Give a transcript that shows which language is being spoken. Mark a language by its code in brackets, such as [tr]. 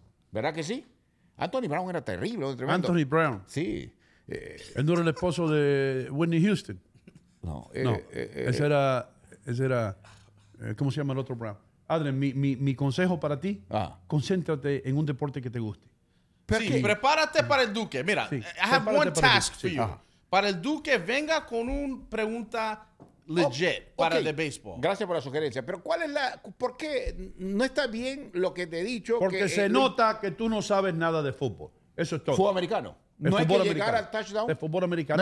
[es] ¿Verdad que sí? Anthony Brown era terrible. Tremendo. Anthony Brown. Sí. ¿No era el esposo de Whitney Houston? No. Ese era, ¿cómo se llama el otro Brown? Adrian, mi consejo para ti, concéntrate en un deporte que te guste. Sí, prepárate para el Duque. Mira, sí, [en] I have one task for you. [es] Para el Duque, venga con una pregunta legit para el de béisbol. Gracias por la sugerencia. Pero ¿cuál es la? ¿Por qué no está bien lo que te he dicho? Porque se nota que tú no sabes nada de fútbol. Eso es todo. Fútbol americano. No hay que llegar al touchdown. De fútbol americano.